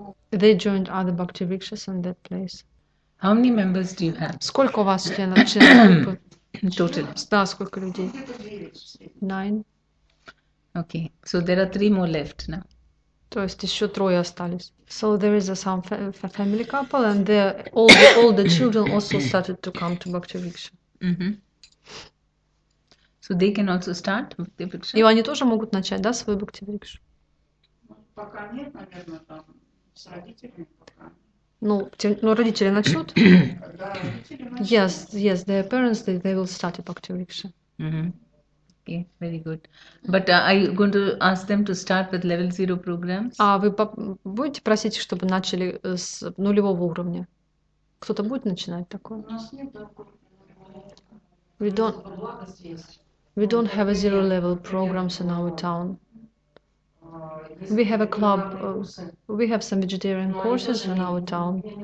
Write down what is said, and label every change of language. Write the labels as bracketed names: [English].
[English] They joined other Bhakti Vrikshas in that place. How many members do you have? [Russian] Сколько у вас членов, членов группы? [English] Total. [Russian] Да, сколько людей? [English] Nine. Okay, so there are three more left now. [Russian] То есть еще трое остались. [English] So there is a some family couple, and their older children also started to come to Bhakti Vriksha. So they can also start Bhakti Vriksha. [Russian] И они тоже могут начать, да, свой Bhakti Vriksha. Пока нет, наверное, там с родителями пока. Ну, ну родители начнут. Когда родители начнут. [English] Yes, yes, their parents they will start a Bhakti Vriksha. Okay, very good. But are you going to ask them to start with level zero programs? [Russian] А вы будете просить, чтобы начали с нулевого уровня? Кто-то будет начинать такое? У нас нет такого. [English] We don't have a zero level programs in our town. We have a club. We have some vegetarian courses in our town.